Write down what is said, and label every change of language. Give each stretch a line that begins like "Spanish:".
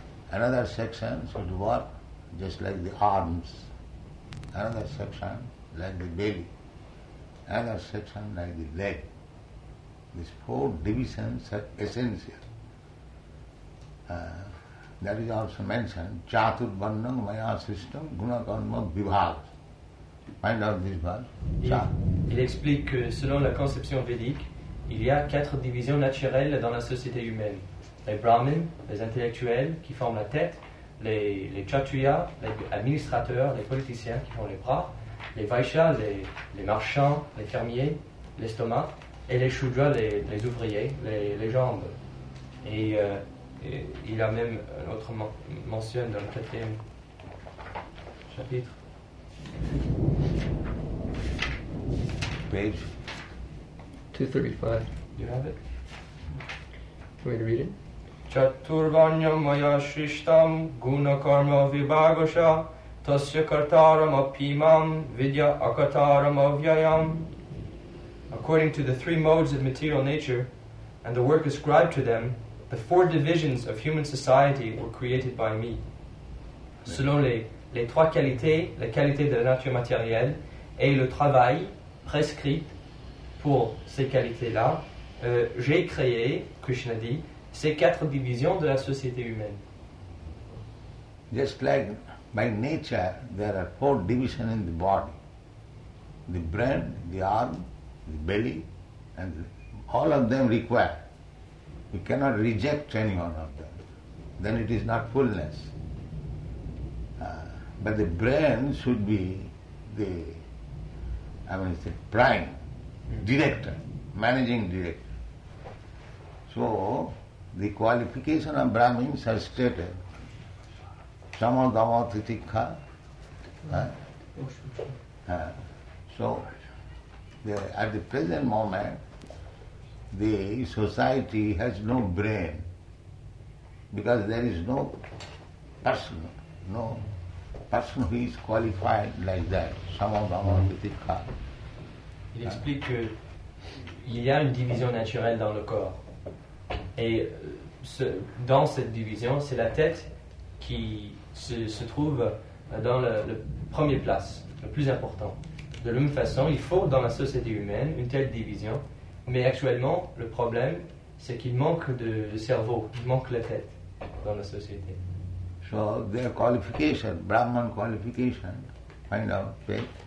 English: Another section should work just like the arms, another section like the belly, another section like the leg. These four divisions are essential. That is also mentioned,
Sanskrit: Chaturvarna Maya Sristam Guna Karma Vibhava.
English: Find out this verse.
French: Il explique que selon la conception védique, il y a quatre divisions naturelles dans la société humaine. Les brahmins, les intellectuels qui forment la tête, les chatuyas, les administrateurs, les politiciens qui font les bras, les vaishyas, les marchands, les fermiers, l'estomac, et les shudras, les ouvriers, les jambes. Et il y a même un autre mention dans le quatrième chapitre.
English: Page 235. You have it? Want me to read it?
Sanskrit: Chaturvanyam maya shrishtam guna karma vibhagasha tasya kartaram apimam vidya akartaram avyayam.
English: According to the three modes of material nature and the work ascribed to them, the four divisions of human society were created by me.
French: Selon les trois qualités, la qualité de la nature matérielle et le travail prescrit pour ces qualités-là, j'ai créé, Krishna dit, ces quatre divisions de la société humaine.
English: Just like by nature, there are four divisions in the body. The brain, the arm, the belly, and all of them require. We cannot reject any one of them. Then it is not fullness. But the brain should be the prime director, managing director. So, the qualification of Brahmins are stated.
Sanskrit: Samadhamatitikha.
English: So, at the present moment, the society has no brain because there is no person, no person who is qualified like that.
Sanskrit: Samadhamatitikha.
French: Il explique que il y a une division naturelle dans le corps. Et dans cette division, c'est la tête qui se trouve dans le premier place, le plus important. De la même façon, il faut dans la société humaine une telle division. Mais actuellement, le problème, c'est qu'il manque de cerveau, il manque la tête dans la société.
English: So, their qualification, Brahman qualification, find out, okay?